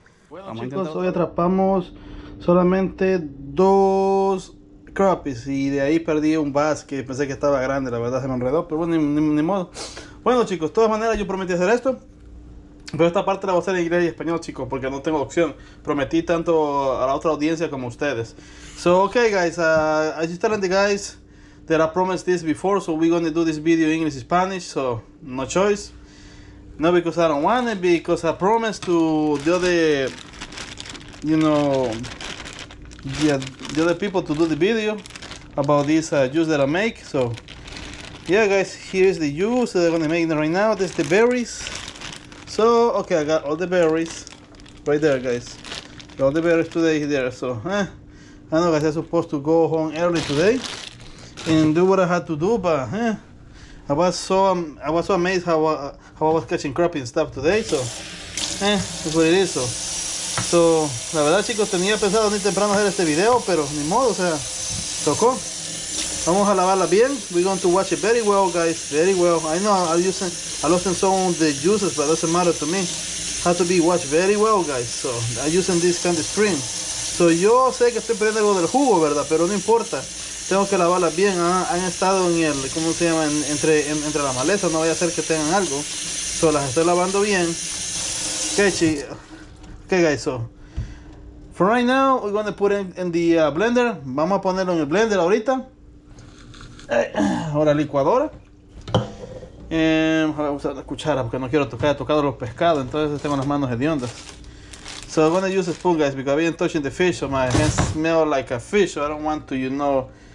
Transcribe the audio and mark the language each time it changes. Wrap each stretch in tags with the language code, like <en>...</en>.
<es>Bueno, chicos, hoy atrapamos solamente dos crappies y de ahí perdí un bass que pensé que estaba grande, la verdad se me enredó, pero bueno, ni modo. Bueno, chicos, de todas maneras yo prometí hacer esto, pero esta parte la voy a hacer en inglés y español, chicos, porque no tengo opción. Prometí tanto a la otra audiencia como a ustedes.</es> <en>So, okay, guys, I just telling the guys that I promised this before, so we're going to do this video in English and Spanish, so no choice. Not because I don't want it, because I promised to the other, you know, the other people to do the video about this juice that I make. So, yeah, guys, here is the juice that I'm gonna make right now. This is the berries. So, okay, I got all the berries right there, guys. All the berries today there. So, I know, guys, I'm supposed to go home early today and do what I had to do, but, I was so amazed how I was catching crappie and stuff today, so that's what it is.</en> <es>So la verdad, chicos, tenía pensado ni temprano hacer este video, pero ni modo, o sea, tocó. Vamos a lavarla bien.</es> <en>We're going to wash it very well, guys, very well. I know I lost some of the juices, but doesn't matter to me. Has to be washed very well, guys. So I'm using this kind of stream.</en> <es>So yo sé que estoy perdiendo algo del jugo, verdad, pero no importa. Tengo que lavarlas bien, han estado en el, ¿cómo se llama? Entre la maleza, no vaya a ser que tengan algo. So, las estoy lavando bien.</es> <en>Okay, guys, so for right now, we're going to put it in the blender.</en> <es>Vamos a ponerlo en el blender ahorita. Ahora licuadora. Ahora voy a usar la cuchara porque no quiero tocar, he tocado los pescados, entonces tengo las manos hediondas.</es> <en>So, I'm going to use a spoon, guys, because I've been touching the fish, so my hands smell like a fish, so I don't want to, you know.</en>